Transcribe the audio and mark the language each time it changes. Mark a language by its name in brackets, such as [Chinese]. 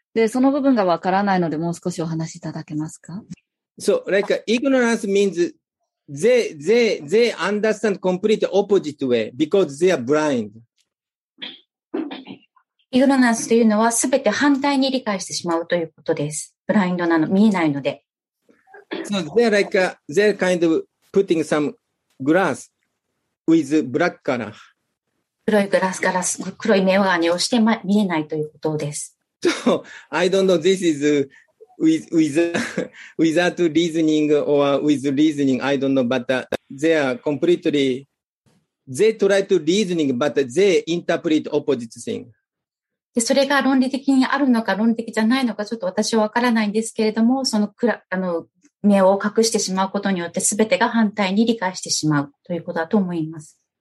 [Japanese] で、その部分がわからないので、もう少しお話しいただけますか? [English] So, like, ignorance means... They understand complete opposite way because they are blind. [Japanese] Ignorance というのは全て反対に理解してしまうということです。ブラインドなの、見えないので。 [English] So they're like a, they're kind of putting some glass with black color. [Japanese] 黒いグラス、ガラス、黒い目を上にして見えないということです。 [English] So I don't know this is... without reasoning or with reasoning, I don't know, but they are completely, they try to reasoning, but they interpret opposite thing. [Japanese] で、それが論理的にあるのか論理的じゃないのか、ちょっと私はわからないんですけれども、その目を隠してしまうことによって、すべてが反対に理解してしまうということだと思います。